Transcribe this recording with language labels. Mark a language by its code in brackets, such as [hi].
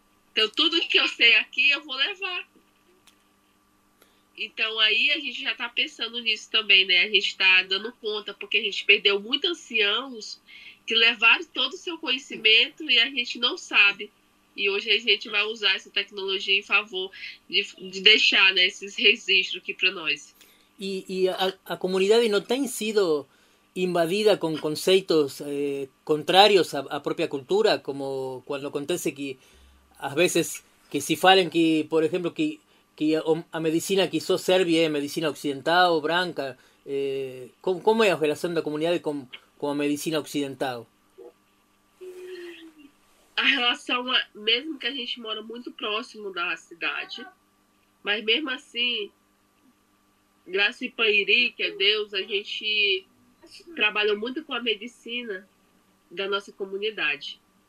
[pt] Então, tudo que eu sei aqui, eu vou levar. Então, aí a gente já está pensando nisso também, né? A gente está dando conta, porque a gente perdeu muitos anciãos que levaram todo o seu conhecimento e a gente não sabe. E hoje a gente vai usar essa tecnologia em favor de deixar, né, esses registros aqui para nós. [es] Y a comunidad no [pt] tem sido invadida [es] con conceptos contrarios a propia cultura, como cuando acontece que a veces que si falen que, por ejemplo, que a medicina que [pt] só serve [es] es medicina occidental o branca, ¿cómo es la relación de la comunidad con la medicina occidental? [pt] A relação, mesmo que a gente mora muito próximo da cidade, mas mesmo assim, graças a Ipairi, que é Deus, a gente trabalhou muito com a medicina da nossa comunidade.